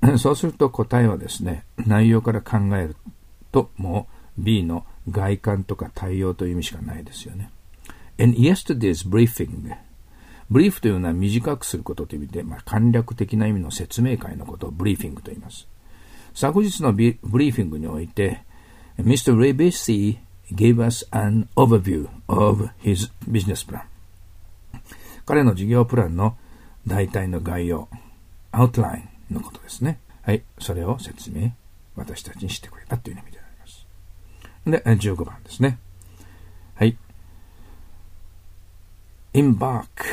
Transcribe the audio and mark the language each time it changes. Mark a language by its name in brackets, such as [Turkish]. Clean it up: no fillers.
[Japanese] そうすると答えはですね、内容から考えると、もう B の外観とか対応という意味しかないですよね。 [English] And yesterday's briefing. [Japanese] Brief というのは短くすることという意味で、まあ、簡略的な意味の説明会のことをブリーフィングと言います。昨日のブリーフィングにおいて、Mr. [English] Ribisi gave us an overview of his business plan. [Japanese] 彼の事業プランの大体の概要、outline のことですね。はい、それを説明、私たちにしてくれたという意味であります。で、15番ですね。はい。 [English] embark。